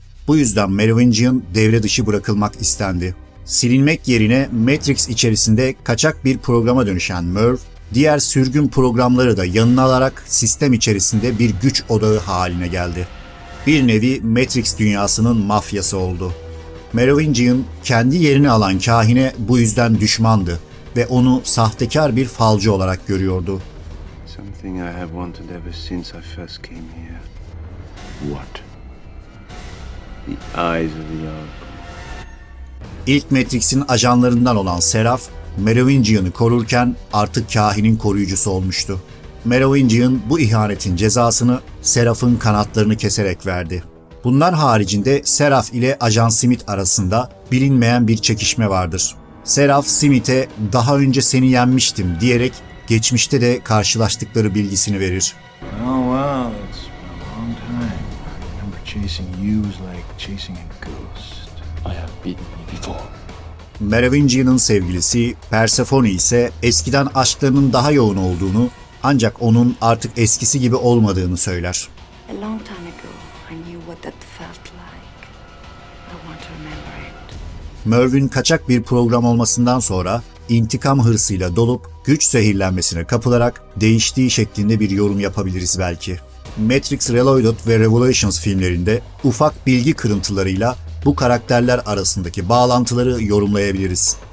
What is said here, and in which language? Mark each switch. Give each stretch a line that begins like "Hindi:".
Turkish: Bu yüzden Merovingian devre dışı bırakılmak istendi. Silinmek yerine Matrix içerisinde kaçak bir programa dönüşen Merv, diğer sürgün programları da yanına alarak sistem içerisinde bir güç odağı haline geldi. Bir nevi Matrix dünyasının mafyası oldu. Merovingian, kendi yerini alan kahine bu yüzden düşmandı ve onu sahtekar bir falcı olarak görüyordu.
English: Something I have wanted ever since I first came here. What? The eyes of the
Turkish: İlk Matrix'in ajanlarından olan Seraph, Merovingian'ı korurken artık kahinin koruyucusu olmuştu. Merovingian bu ihanetin cezasını Seraph'ın kanatlarını keserek verdi. Bunlar haricinde Seraph ile Ajan Smith arasında bilinmeyen bir çekişme vardır. Seraph Smith'e "Daha önce seni yenmiştim" diyerek geçmişte de karşılaştıkları bilgisini verir.
English: Oh well, it's been a long time. I remember chasing you was like chasing a ghost. I have beaten you before.
Turkish: Merovingian'ın sevgilisi Persephone ise eskiden aşklarının daha yoğun olduğunu, ancak onun artık eskisi gibi olmadığını söyler.
English: A long time ago, I knew what that felt like. I want to remember it.
Turkish: Merv'ün kaçak bir program olmasından sonra intikam hırsıyla dolup güç zehirlenmesine kapılarak değiştiği şeklinde bir yorum yapabiliriz belki. Matrix Reloaded ve Revolutions filmlerinde ufak bilgi kırıntılarıyla bu karakterler arasındaki bağlantıları yorumlayabiliriz.